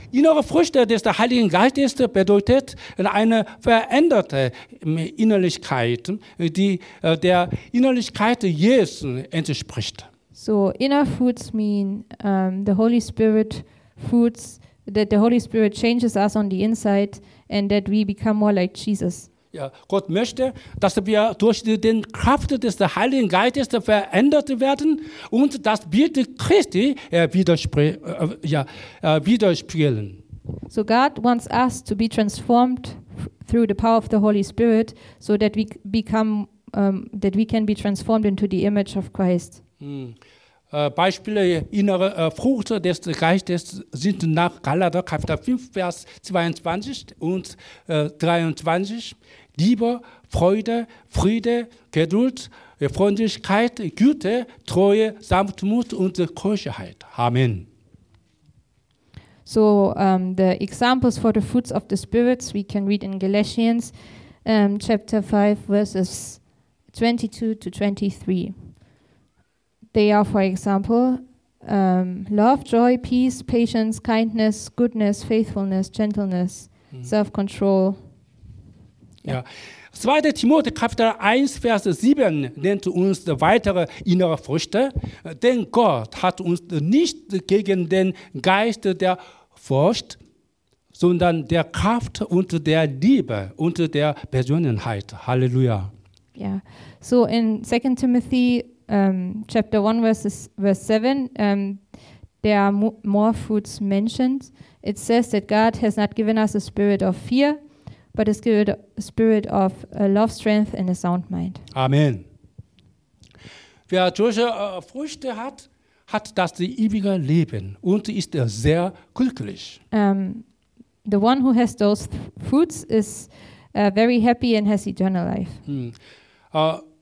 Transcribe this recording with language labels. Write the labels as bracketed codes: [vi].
[de] Innere Früchte des Heiligen Geistes bedeutet eine veränderte Innerlichkeit, die der Innerlichkeit Jesu entspricht. [en] So inner fruits mean the Holy Spirit fruits, that the Holy Spirit changes us on the inside and that we become more like Jesus. [de] Ja, Gott möchte, dass wir durch die Kraft des Heiligen Geistes verändert werden und das Bild Christi widerspiegeln. [en] So God wants us to be transformed through the power of the Holy Spirit so that we become that we can be transformed into the image of Christ. [de] Beispiele innere Frucht des Geistes sind nach Galater Kapitel 5, Vers 22 und 23 Liebe, Freude, Friede, Geduld, Freundlichkeit, Güte, Treue, Sanftmut und Keuschheit. Amen. [en] So, the examples for the fruits of the spirits we can read in Galatians chapter 5, verses 22-23. They are, for example, love, joy, peace, patience, kindness, goodness, faithfulness, gentleness, self-control. Ja. Ja. 2. [de] Timotheus Kapitel 1, Vers 7 nennt uns weitere innere Früchte. Denn Gott hat uns nicht gegen den Geist der Furcht, sondern der Kraft und der Liebe und der Besonnenheit. Halleluja. [en] Ja. So in 2. Timotheus chapter 1, verse 7, there are more fruits mentioned. It says that God has not given us a spirit of fear, but a spirit of love, strength and a sound mind. Amen. [de] Wer solche Früchte hat, hat das ewige Leben und ist sehr glücklich. [en] The one who has those fruits is very happy and has eternal life.